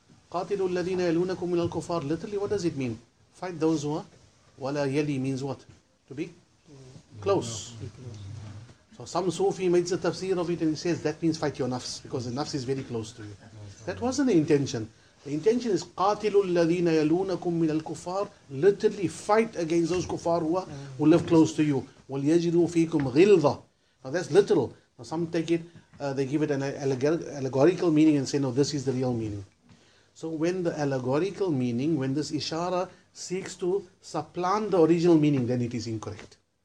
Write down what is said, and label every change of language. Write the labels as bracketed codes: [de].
[ar] قَاتِلُوا الَّذِينَ يَلُونَكُم مِّنَ الْكُفَّارِ. [en] Literally, what does it mean? Fight those who are. [ar] وَلَا يَلِي [en] means what? To be close. So some Sufi makes a tafsir of it and he says that means fight your nafs, because the nafs is very close to you. That wasn't the intention. The intention is [ar] قَاتِلُوا الَّذِينَ يَلُونَكُم مِّنَ الْكُفَّارِ. [en] Literally, fight against those kuffar who live close to you. [ar] وَلْيَجِدُوا فِيكُمْ غِلْظَةً. [en] Now that's literal. Now some take it, they give it an allegorical meaning and say, no, this is the real meaning. So when the allegorical meaning, when this ishara seeks to supplant the original meaning, then it is incorrect.